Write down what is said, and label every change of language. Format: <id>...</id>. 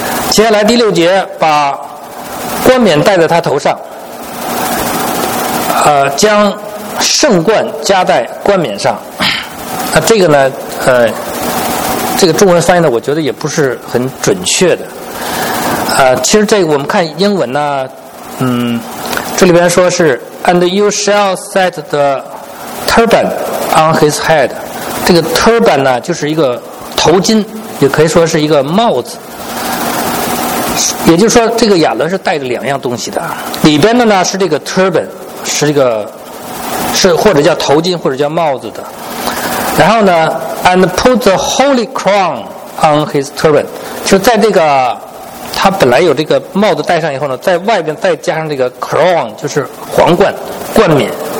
<zh>接下来第六节，把冠冕戴在他头上，将圣冠加在冠冕上。那这个呢，这个中文翻译呢，我觉得也不是很准确的。其实这个我们看英文呢，这里边说是</zh> <en>"And you shall set the turban on his head"。</en> <zh>这个 turban 呢，就是一个头巾，也可以说是一个帽子。也就是说，这个亚伦是带着两样东西的，里边的呢是这个 turban。是一个，是或者叫头巾或者叫帽子的。然后呢 ，</zh> <en>and put the holy crown on his turban，</en> <zh>就在这个他本来有这个帽子戴上以后呢，在外边再加上这个 crown， 就是皇冠冠冕。</zh>